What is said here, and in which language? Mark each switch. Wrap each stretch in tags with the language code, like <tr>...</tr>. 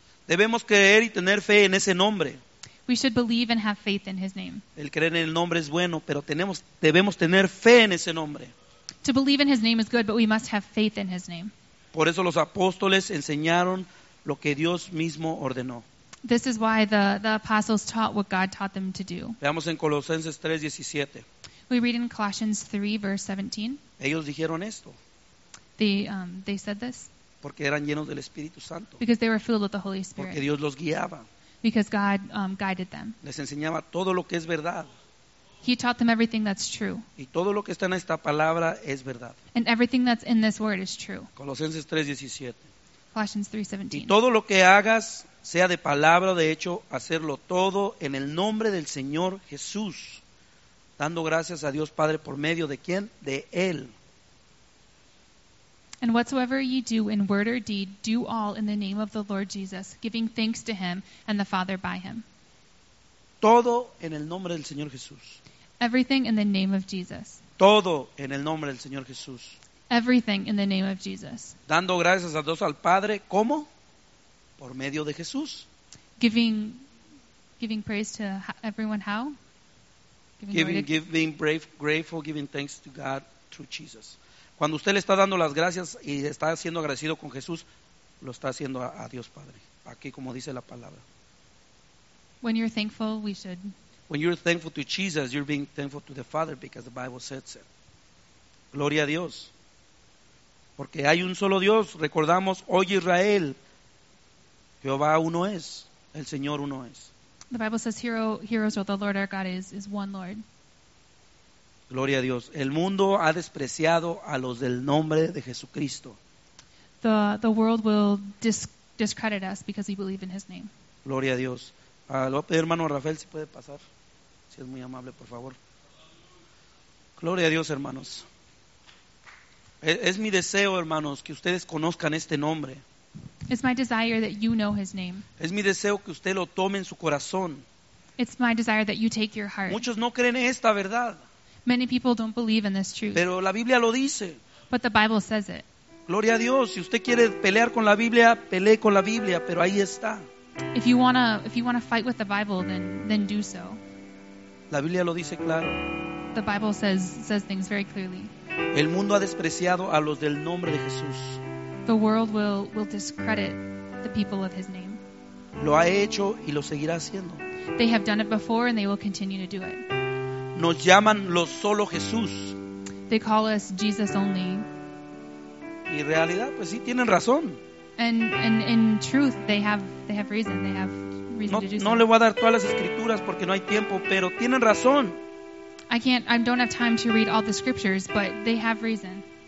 <es>Debemos creer y tener fe en ese nombre.</es> <en>We should believe and have faith in his name.</en> <es>El creer en el nombre es bueno, pero debemos tener fe en ese nombre.</es> <en>To believe in his name is good, but we must have faith in his name.</en> <es>Por eso los apóstoles enseñaron lo que Dios mismo ordenó.</es> <en>This is why the apostles taught what God taught them to do.</en> <es>Veamos en Colosenses 3:17.</es> <en>We read in Colossians 3 verse 17.</en> <es>Ellos dijeron esto.</es> <en>They said this</en> <es>porque eran llenos del Espíritu Santo.</es> <en>Because they were filled with the Holy Spirit.</en> <es>Porque Dios los guiaba.</es> <en>Because God guided them.</en> <es>Les enseñaba todo lo que es verdad.</es> <en>He taught them everything that's true.</en> <es>Y todo lo que está en esta palabra es verdad.</es> <en>And everything that's in this word is true.</en> <es>Colosenses 3:17.</es> <en>Colossians 3:17.</en> <es>Y todo lo que hagas sea de palabra o de hecho, hacerlo todo en el nombre del Señor Jesús, dando gracias a Dios Padre por medio de ¿quién? De Él.</es> <en>And whatsoever ye do in word or deed, do all in the name of the Lord Jesus, giving thanks to Him and the Father by Him.</en> <es>Todo en el nombre del Señor Jesús.</es> <en>Everything in the name of Jesus.</en> <es>Todo en el nombre del Señor Jesús.</es> <en>Everything in the name of Jesus.</en> <es>Dando gracias a Dios al Padre, ¿cómo? Por medio de Jesús.</es> <en>Giving praise to everyone, how? Giving thanks to God through Jesus.</en> <es>Cuando usted le está dando las gracias y está siendo agradecido con Jesús, lo está haciendo a Dios Padre. Aquí como dice la palabra.</es> <en>When you're thankful, we should. When you're thankful to Jesus, you're being thankful to the Father because the Bible says it.</en> <es>Gloria a Dios. Porque hay un solo Dios. Recordamos, oye Israel, Jehová uno es, el Señor uno es.</es> <en>The Bible says, hear, O Israel, the Lord our God is one Lord.</en> <es>Gloria a Dios. El mundo ha despreciado a los del nombre de Jesucristo.</es> <en>The world will discredit us because we believe in His name.</en> <es>Gloria a Dios. Le voy a pedir, hermano Rafael, si puede pasar. Si es muy amable, por favor. Gloria a Dios, hermanos. Es mi deseo, hermanos, que ustedes conozcan este nombre.</es> <en>It's my desire that you know His name.</en> <es>Es mi deseo que usted lo tome en su corazón.</es> <en>It's my desire that you take your heart.</en> <es>Muchos no creen en esta verdad.</es> <en>Many people don't believe in this truth.</en> <es>Pero la Biblia lo dice.</es> <en>But the Bible says it.</en> <es>Gloria a Dios. Si usted quiere pelear con la Biblia, pelee con la Biblia, pero ahí está.</es> <en>If you want to fight with the Bible, then do so.</en> <es>La Biblia lo dice claro.</es> <en>The Bible says things very clearly.</en> <es>El mundo ha despreciado a los del nombre de Jesús.</es> <en>The world will discredit the people of His name.</en> <es>Lo ha hecho y lo seguirá haciendo.</es> <en>They have done it before and they will continue to do it.</en> <es>Nos llaman los solo Jesús.</es> <en>They call us Jesus only.</en> <es>Y en realidad, pues sí, tienen razón.</es> <en>And in truth, they have reason. They have reason</en> <es>no,</es> <en>to do</en> <es>no</es> <en>so.</en> <es>Le voy a dar todas las escrituras porque no hay tiempo, pero tienen razón.</es> <en>I don't have time to read all the scriptures, but they have reason.</en>